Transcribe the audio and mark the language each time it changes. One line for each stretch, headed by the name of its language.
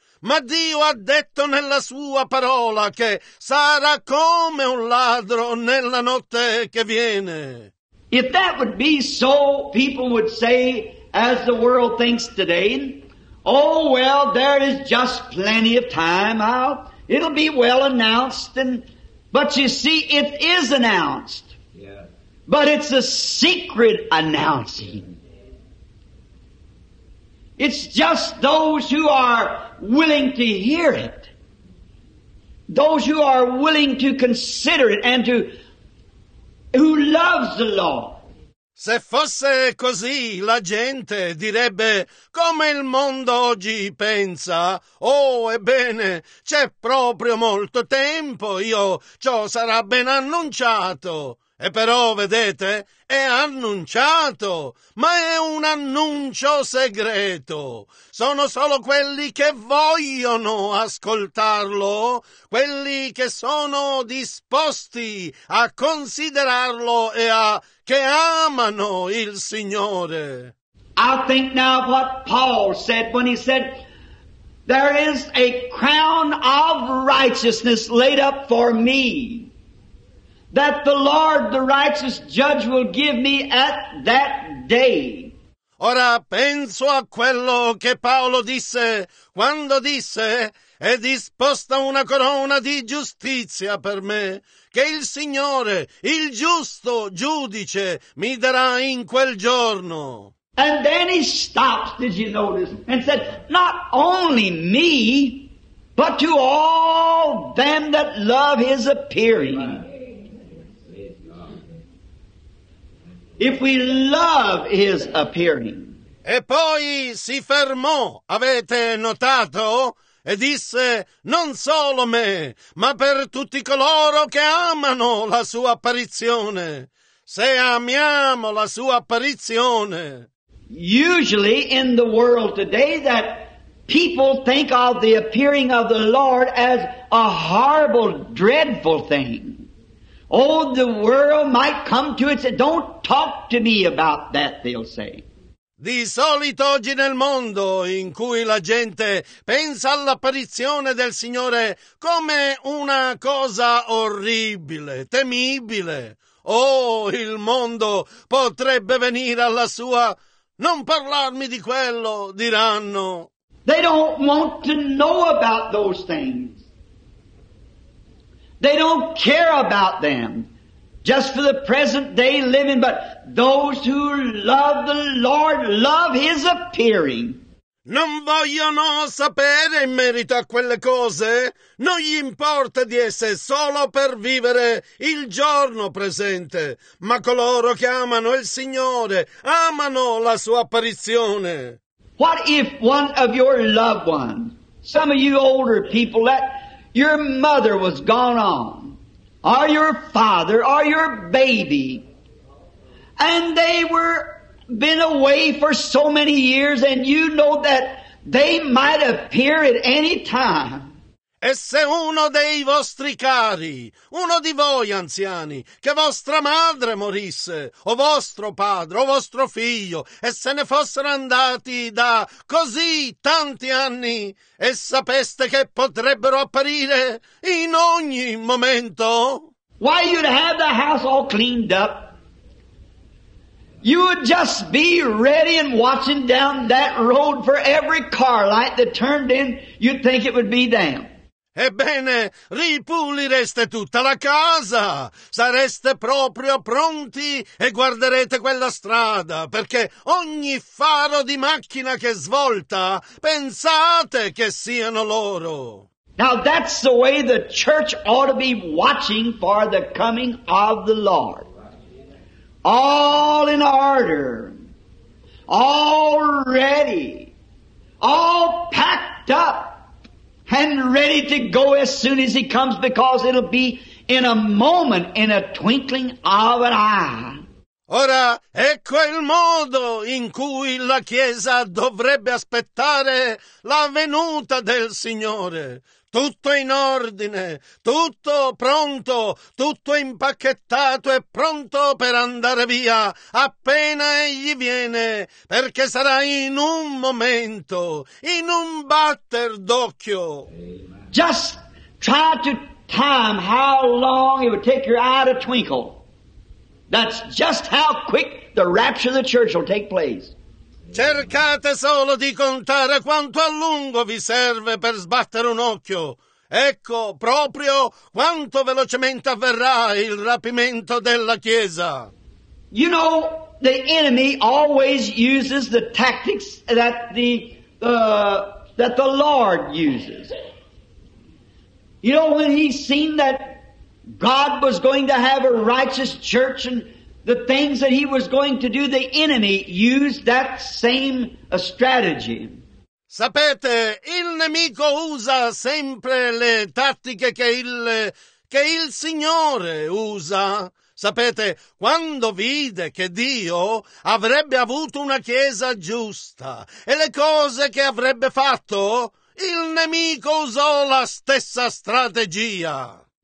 Italian: Ma Dio ha detto nella sua parola che sarà come un ladro nella notte che viene.
English: If that would be so, people would say, as the world thinks today, oh well, there is just plenty of time. It'll be well announced. But you see, it is announced. Yeah. But it's a secret announcing. It's just those who are willing to hear it. Those who are willing to consider it and who loves the law.
Italian: Se fosse così, la gente direbbe come il mondo oggi pensa. Oh, ebbene, c'è proprio molto tempo, ciò sarà ben annunciato. E però, vedete, è annunciato, ma è un annuncio segreto. Sono solo quelli che vogliono ascoltarlo, quelli che sono disposti a considerarlo e a che amano il Signore.
English: I think now what Paul said when he said, there is a crown of righteousness laid up for me, that the Lord, the righteous judge, will give me at that day.
Italian: Ora penso a quello che Paolo disse quando disse, è disposta una corona di giustizia per me, che il Signore, il giusto giudice, mi darà in quel giorno.
English: And then he stops, did you notice, and said, not only me, but to all them that love his appearing. If we love his appearing.
Italian: E poi si fermò, avete notato? E disse, non solo me, ma per tutti coloro che amano la sua apparizione. Se amiamo la sua apparizione.
English: Usually in the world today that people think of the appearing of the Lord as a horrible, dreadful thing. Oh, the world might come to it and say, don't talk to me about that, they'll say.
Italian: Di solito oggi nel mondo in cui la gente pensa all'apparizione del Signore come una cosa orribile, temibile. Oh, il mondo potrebbe venire alla sua, non parlarmi di quello, diranno.
English: They don't want to know about those things. They don't care about them, just for the present day living, but those who love the Lord love His appearing.
Italian: Non vogliono sapere in merito a quelle cose. Non gli importa di essere solo per vivere il giorno presente, ma coloro che amano il Signore amano la sua apparizione.
English: What if one of your loved ones, some of you older people, that your mother was gone on, or your father, or your baby, and they were been away for so many years, and you know that they might appear at any time.
Italian: E se uno dei vostri cari, uno di voi anziani, che vostra madre morisse, o vostro padre, o vostro figlio, e se ne fossero andati da così tanti anni, e sapeste che potrebbero apparire in ogni momento?
English: Why, you'd have the house all cleaned up. You would just be ready and watching down that road for every car light that turned in, you'd think it would be them.
Italian: Ebbene, ripulireste tutta la casa, sareste proprio pronti e guarderete quella strada, perché ogni faro di macchina che svolta, pensate che siano loro.
English: Now that's the way the church ought to be watching for the coming of the Lord. All in order, all ready, all packed up, and ready to go as soon as he comes, because it'll be in a moment, in a twinkling of an eye.
Italian: Ora, ecco il modo in cui la Chiesa dovrebbe aspettare la venuta del Signore. Tutto in ordine, tutto pronto, tutto impacchettato e pronto per andare via appena egli viene, perché sarà in un momento, in un batter d'occhio.
English: Just try to time how long it would take your eye to twinkle. That's just how quick the rapture of the church will take place.
Italian: Cercate solo di contare quanto a lungo vi serve per sbattere un occhio. Ecco proprio quanto velocemente avverrà il rapimento della Chiesa.
English: You know, the enemy always uses the tactics that the Lord uses. You know, when he seen that God was going to have a righteous church and the things that he was going to do, the enemy used that same strategy.
Italian: Sapete, il nemico usa sempre le tattiche che il Signore usa. Sapete, quando vide che Dio avrebbe avuto una chiesa giusta e le cose che avrebbe fatto, il nemico usò la stessa strategia.